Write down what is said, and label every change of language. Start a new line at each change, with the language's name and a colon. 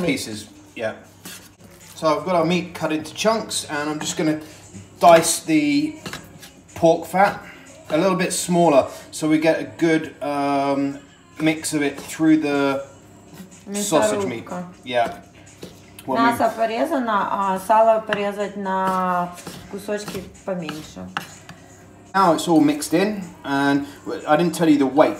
English: pieces. Meat. Yeah. So I've got our meat cut into chunks, and I'm just going to dice the pork fat a little bit smaller so we get a good mix of it through the sausage meat. Yeah.
Russian: Мясо порезано, а сало порезать на кусочки поменьше.
English: Now it's all mixed in, and I didn't tell you the weight.